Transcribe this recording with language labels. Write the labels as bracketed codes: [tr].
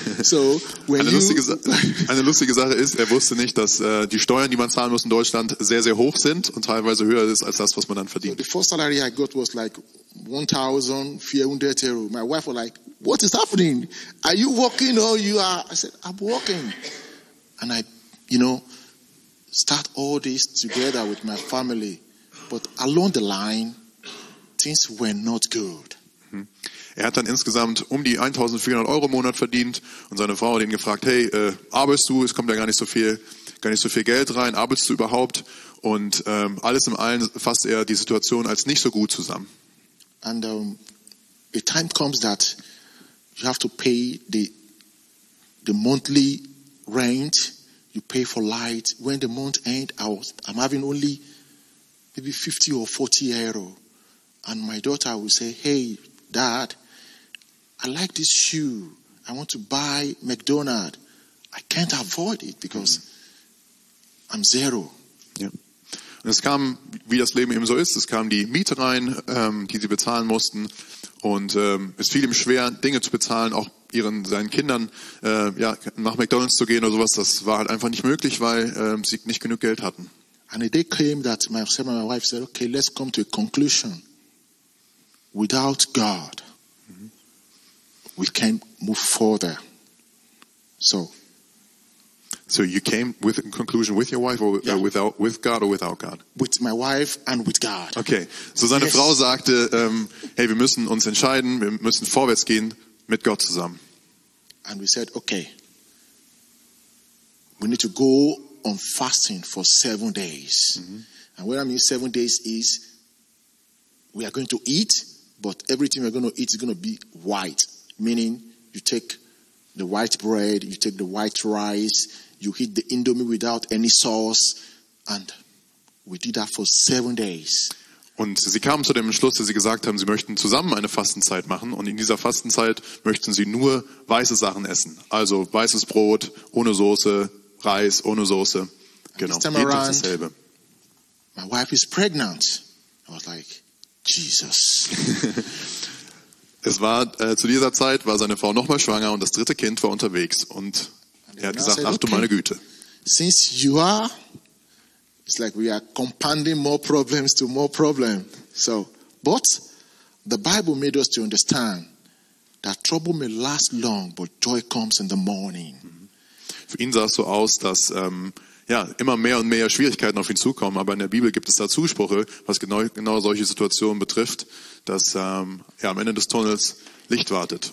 [en] So when [de] eine lustige Sache ist, er wusste nicht, dass die Steuern, die man zahlen muss in Deutschland, sehr, sehr hoch sind und teilweise höher ist als das, was man dann verdient. [en] So the first salary I got was like 1,400 euro. My wife was like, what is happening? Are you working or you are? I said, I'm working. And I, you know, start all this together with my family. But along the line, things were not good. [de] Er hat dann insgesamt um die 1.400 Euro im Monat verdient und seine Frau hat ihn gefragt, hey, arbeitest du? Es kommt ja gar nicht so viel Geld rein. Arbeitest du überhaupt? Und alles im allen fasst er die Situation als nicht so gut zusammen. [en] And the time comes that you have to pay the monthly rent, you pay for light. When the month ends, I'm having only maybe 50 or 40 euro. And my daughter will say, hey, Dad, I like this shoe. I want to buy McDonald's. I can't avoid it because I'm zero. [de] Ja. Und es kam, wie das Leben eben so ist, es kam die Miete rein, die sie bezahlen mussten. Und es fiel ihm schwer, Dinge zu bezahlen, auch seinen Kindern nach McDonald's zu gehen oder sowas. Das war halt einfach nicht möglich, weil sie nicht genug Geld hatten. [en] And a day came that myself and my wife said, okay, let's come to a conclusion. Without God, we can't move further. So you came with a conclusion with your wife or without, with God or without God? With my wife and with God. [de] Okay, so seine Frau sagte, hey, wir müssen uns entscheiden, wir müssen vorwärts gehen mit Gott zusammen. [en] And we said, okay, we need to go on fasting for 7 days. Mm-hmm. And what I mean 7 days is, we are going to eat, but everything we're going to eat is going to be white, meaning you take the white bread, you take the white rice, you eat the indomie without any sauce, and we did that for 7 days. [de] Und sie kamen zu dem Entschluss, dass sie gesagt haben, sie möchten zusammen eine Fastenzeit machen, und in dieser Fastenzeit möchten sie nur weiße Sachen essen, also weißes Brot ohne Soße, Reis ohne Soße, genau, jeden Tag dasselbe. [en] My wife is pregnant. I was like, Jesus. [de] Es war zu dieser Zeit, war seine Frau nochmal schwanger und das dritte Kind war unterwegs. Und er hat gesagt, ach du meine Güte. [en] Since you are, it's like we are compounding more problems to more problems. So, but the Bible made us to understand that trouble may last long, but joy comes in the morning. [de] Für ihn sah es so aus, dass immer mehr und mehr Schwierigkeiten auf ihn zukommen. Aber in der Bibel gibt es da Zusprüche, was genau solche Situationen betrifft, dass am Ende des Tunnels Licht wartet.